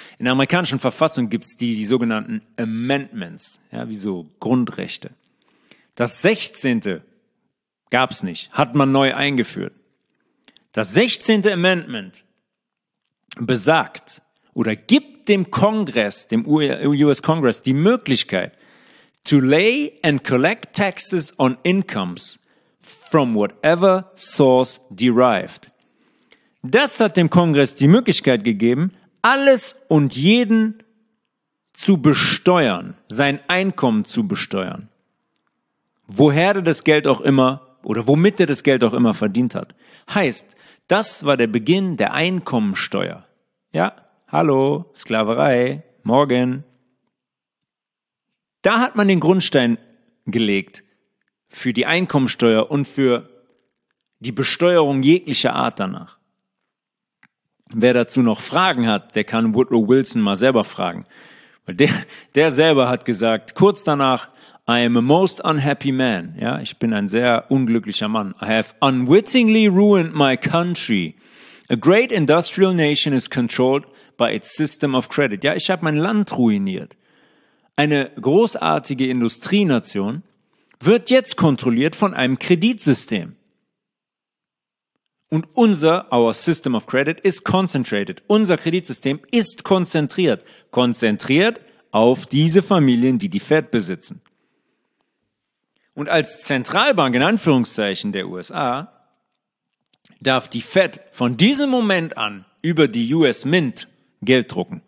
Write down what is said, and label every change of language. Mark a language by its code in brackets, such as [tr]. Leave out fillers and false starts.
[de] In der amerikanischen Verfassung gibt es die sogenannten Amendments, ja, wie so Grundrechte. Das 16. gab es nicht, hat man neu eingeführt. Das 16. Amendment besagt oder gibt dem Kongress, dem US-Kongress, die Möglichkeit, [en] to lay and collect taxes on incomes from whatever source derived. [de] Das hat dem Kongress die Möglichkeit gegeben, alles und jeden zu besteuern, sein Einkommen zu besteuern. Woher er das Geld auch immer oder womit er das Geld auch immer verdient hat. Heißt, das war der Beginn der Einkommensteuer. Ja, hallo, Sklaverei, morgen. Da hat man den Grundstein gelegt für die Einkommensteuer und für die Besteuerung jeglicher Art danach. Wer dazu noch Fragen hat, der kann Woodrow Wilson mal selber fragen. Der selber hat gesagt, kurz danach, [en] I am a most unhappy man. [de] Ja, ich bin ein sehr unglücklicher Mann. [en] I have unwittingly ruined my country. A great industrial nation is controlled by its system of credit. [de] Ja, ich habe mein Land ruiniert. Eine großartige Industrienation wird jetzt kontrolliert von einem Kreditsystem. [en] Und our system of credit is concentrated. [de] Unser Kreditsystem ist konzentriert. Konzentriert auf diese Familien, die die Fed besitzen. Und als Zentralbank in Anführungszeichen der USA darf die Fed von diesem Moment an über die US Mint Geld drucken.